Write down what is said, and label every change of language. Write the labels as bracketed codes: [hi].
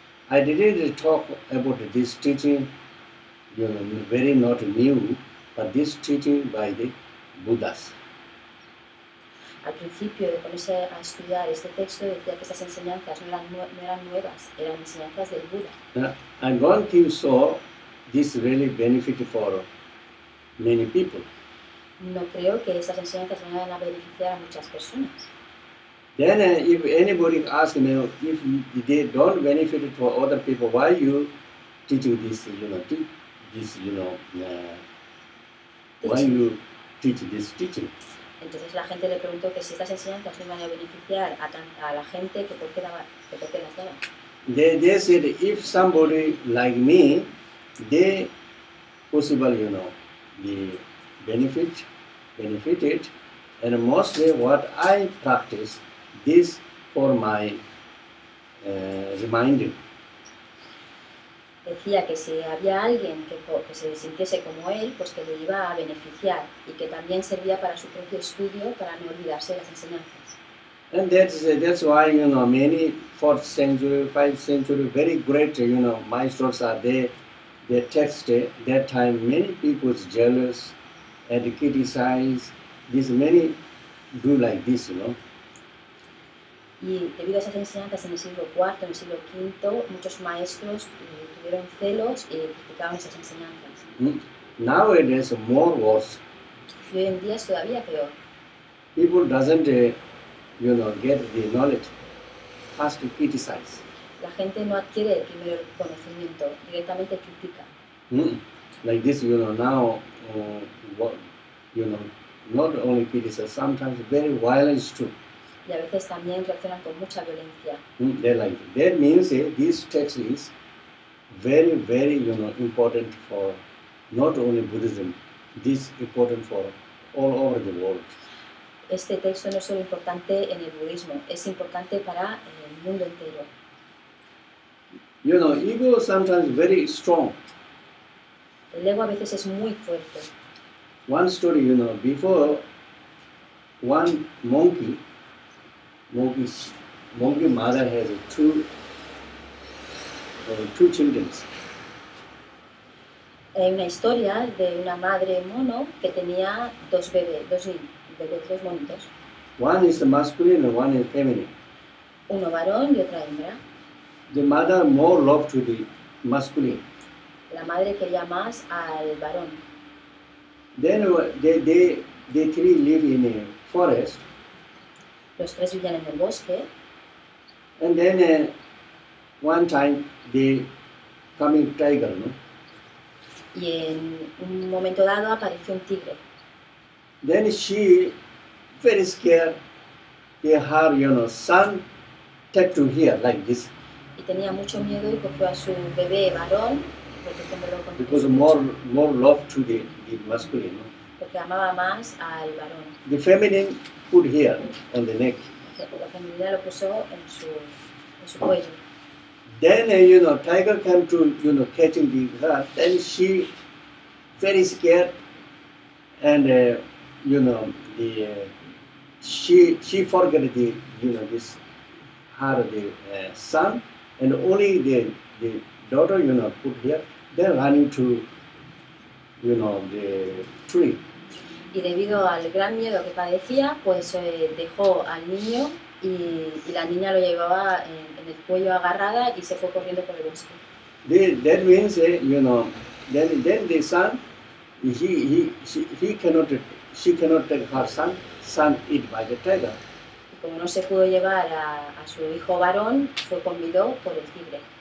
[en] I didn't talk about this teaching, you know, very not new, but this teaching by the Buddhas. [es] Al principio de ponerse a estudiar este texto decía que estas enseñanzas no eran nuevas, eran enseñanzas del Buda. [en] Yeah, I'm going to show this really benefit for many people. [es] No creo que estas enseñanzas vayan a beneficiar a muchas personas. [en] Then if anybody asks me if they don't benefit for other people, why you teaching this, you know, why you teach this teaching? [es] Entonces la gente le preguntó que si estas enseñanzas iban a beneficiar a la gente, que por qué las daban. [en] They said if somebody like me, they possible, you know, the benefited, and mostly what I practice this for my reminding. [es] Decía que si había alguien que se sintiese como él, pues que le iba a beneficiar y que también servía para su propio estudio, para no olvidarse las enseñanzas. [en] And that's why, you know, many 4th century, 5th century, very great, you know, maestros are there. They text that time, many people's jealous and criticize. This many do like this, you know. [es] Y debido a esas enseñanzas en el siglo IV, en el siglo V, muchos maestros tuvieron celos y criticaban esas enseñanzas. [en] Now it is more worse. [es] Hoy en día es todavía peor. [en] People doesn't, you know, get the knowledge, has to criticize. [es] La gente no adquiere el primer conocimiento, directamente critica. [en] Like this, you know, now, what, you know, not only criticize, sometimes very violence too. [es] Y a veces también reaccionan con mucha violencia. [en] That means this text is very, very, you know, important for not only Buddhism, this important for all over the world. [es] Este texto no es solo importante en el budismo, es importante para el mundo entero. [en] You know, ego sometimes very strong. [es] El ego a veces es muy fuerte. [en] One story, you know, before one monkey, monkey mother has two children. [es] Hay una historia de una madre mono que tenía dos bebés monitos. [en] One is masculine and one is feminine. [es] Uno varón y otra hembra. [en] The mother more loved to the masculine. [es] La madre quería más al varón. [en] Then they three live in a forest. [es] Los tres vivían en el bosque. [en] And then one time they come in tiger, no? [es] Y en un momento dado apareció un tigre. [en] Then she very scared. He had, you know, son tattoo here like this. [es] Y tenía mucho miedo y cogió a su bebé varón. [en] Because more love to the masculine. [es] Porque amaba más al varón. [en] The feminine put here on the neck. [es] La feminidad lo puso en su cuello. [en] Then you know, tiger came to, you know, catching the rat. Then she very scared, and you know, the she forget the, you know, this her the son, and only the daughter, you know, put here. Then running to, you know, the tree. [es] Y debido al gran miedo que padecía, pues dejó al niño y la niña lo llevaba en el cuello agarrada y se fue corriendo por el bosque. [en] That means, you know, then the son, she cannot take her son eat by the tiger. [es] Y como no se pudo llevar a su hijo varón, fue comido por el tigre.